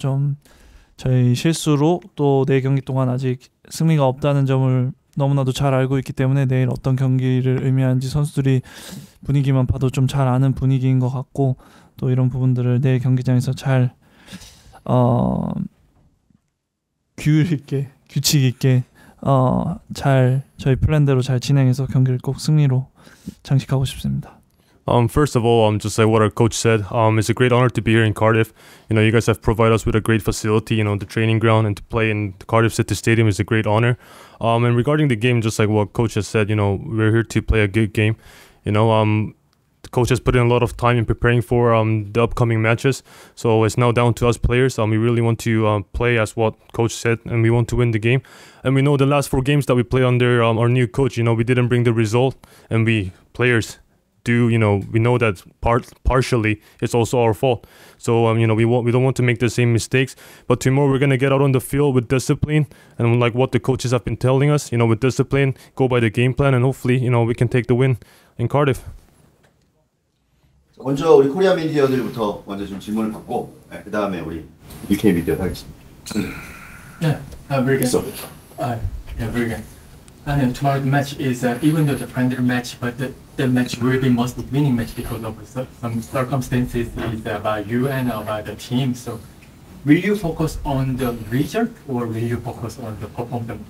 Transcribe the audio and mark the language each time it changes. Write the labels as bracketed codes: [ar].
[ko] 좀 저희 실수로 또 내일 경기 동안 아직 승리가 없다는 점을 너무나도 잘 알고 있기 때문에 내일 어떤 경기를 의미하는지 선수들이 분위기만 봐도 좀 잘 아는 분위기인 것 같고 또 이런 부분들을 내일 경기장에서 잘 규율 있게 규칙 있게 잘 저희 플랜대로 잘 진행해서 경기를 꼭 승리로 장식하고 싶습니다. [en] First of all, just like what our coach said, it's a great honor to be here in Cardiff. You know, you guys have provided us with a great facility, you know, the training ground, and to play in the Cardiff City Stadium is a great honor. And regarding the game, just like what coach has said, you know, we're here to play a good game. You know, the coach has put in a lot of time in preparing for the upcoming matches. So it's now down to us players. We really want to play as what coach said, and we want to win the game. And we know the last four games that we played under our new coach, you know, we didn't bring the result, and we players do, you know, we know that partially it's also our fault. So you know, we don't want to make the same mistakes, but tomorrow we're going to get out on the field with discipline and like what the coaches have been telling us, you know, with discipline, go by the game plan, and hopefully, you know, we can take the win in Cardiff. [ko] 먼저 우리 코리아 미디어들부터 먼저 좀 질문을 받고 네, 그다음에 우리 UK 미디어 하겠습니다. [en] Yeah, very good. Yeah, very good. And then tomorrow the match is even though the friendly match, but the match will be mostly winning match because of some circumstances is about you and about the team. So will you focus on the result or will you focus on the performance?